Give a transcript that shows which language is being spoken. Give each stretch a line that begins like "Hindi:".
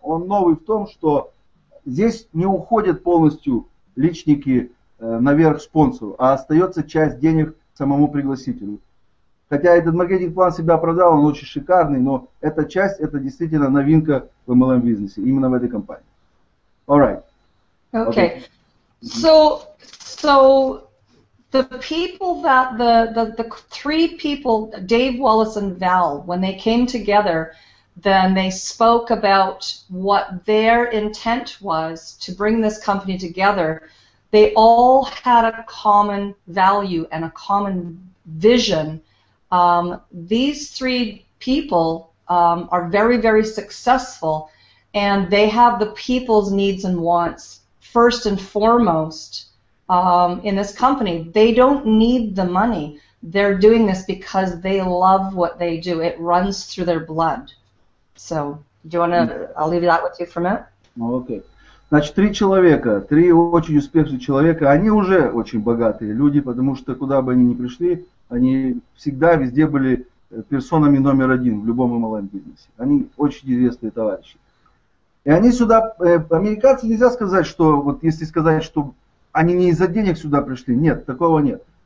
Russian: Он новый в том, что здесь не уходят полностью личники наверх спонсору, а остается часть денег самому пригласителю. Хотя этот маркетинг-план себя оправдал, он очень шикарный, но эта часть, это действительно новинка в MLM-бизнесе, именно в этой компании.
English: All right. Okay. So the people that the three people, Dave Wallace and Val, when they came together, then they spoke about what their intent was to bring this company together. They all had a common value and a common vision. These three people are very, very successful, and they have the people's needs and wants first and foremost in this company. They don't need the money. They're doing this because they love what they do. It runs through their blood. So, do you want to, I'll leave that with you for a minute. Okay.
Russian: Значит, три человека, три очень успешных человека, они уже очень богатые люди, потому что куда бы они ни пришли, они всегда везде были персонами номер один в любом MLM бизнесе. Они очень известные товарищи. И они сюда, американцы нельзя сказать, что вот если сказать, что они не из-за денег сюда пришли, нет, такого нет.